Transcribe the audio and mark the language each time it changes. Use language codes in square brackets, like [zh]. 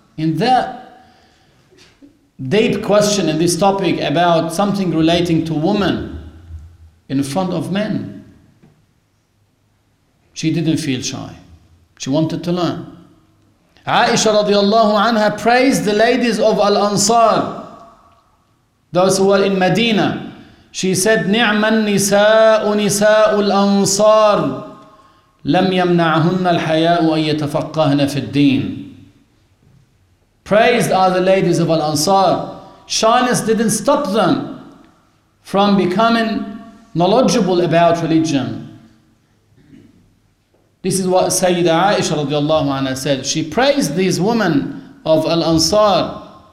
[en] In that deep question in this topic about something relating to women, in front of men. She didn't feel shy. She wanted to learn. Aisha radiallahu anha praised the ladies of Al-Ansar, those who were in Medina. She said, [ar] نِعْمَ النِّسَاءُ نِسَاءُ الْأَنصَارُ لَمْ يَمْنَعْهُنَّ الْحَيَاءُ أَن يَتَفَقَّهْنَ فِي الدِّينِ. [en] Praised are the ladies of Al-Ansar. Shyness didn't stop them from becoming knowledgeable about religion. This is what Sayyida Aisha radiallahu anha said. She praised these women of Al-Ansar.